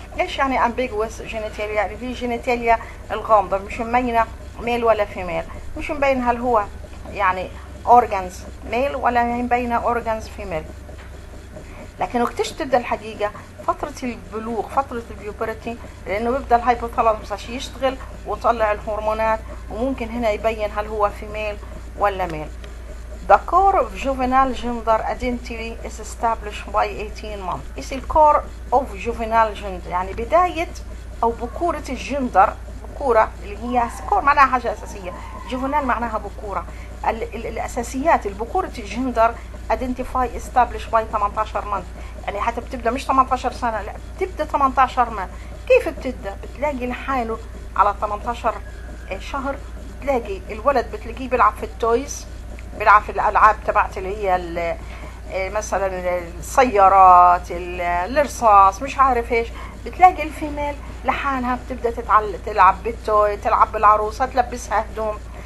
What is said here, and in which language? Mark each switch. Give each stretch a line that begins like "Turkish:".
Arabic: ايش يعني ambiguous genitalia؟ يعني في جينيتاليا الغامضة مش مبينة ميل ولا فيميل، مش مبين هل هو يعني organs ميل ولا مبينة organs فيميل. لكن وقت تبدأ الحقيقة فترة البلوغ، فترة البيوبرتي، لانه بيبدأ الهايبوثالامس عشان يشتغل وطلع الهرمونات، وممكن هنا يبين هل هو فيميل ولا ميل.
English: The core of juvenile gender identity is established by 18 months. It's the core of juvenile gender.
Arabic: يعني بداية أو بكورة الجندر، بكورة اللي هي core معناها حاجة أساسية، juvenile معناها بكورة. الأساسيات البكورة الجندر
English: identify established by 18 months.
Arabic: يعني حتى بتبدأ مش 18 سنة، لا بتبدأ 18 ما. كيف بتبدأ؟ بتلاقي لحاله على 18 شهر، بتلاقي الولد بتلاقيه بيلعب في التويز، بيلعب في الألعاب تبعت اللي هي مثلا السيارات، الرصاص، مش عارف ايش، بتلاقي الفيميل لحالها بتبدا تلعب بالتوي، تلعب بالعروسه، تلبسها هدوم.